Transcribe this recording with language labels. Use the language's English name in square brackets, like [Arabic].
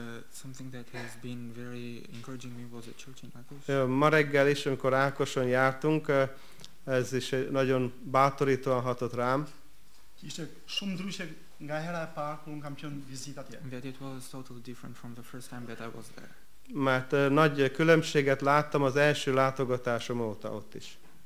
[English] Something that has been very encouraging me was a church in Akos. [Hungarian] Ma reggel is, amikor Ákoson jártunk, ez is nagyon bátorítóan hatott rám. [English] That it was totally different from the first time that I was there. [Hungarian] Mert nagy különbséget láttam az első látogatásom óta ott is.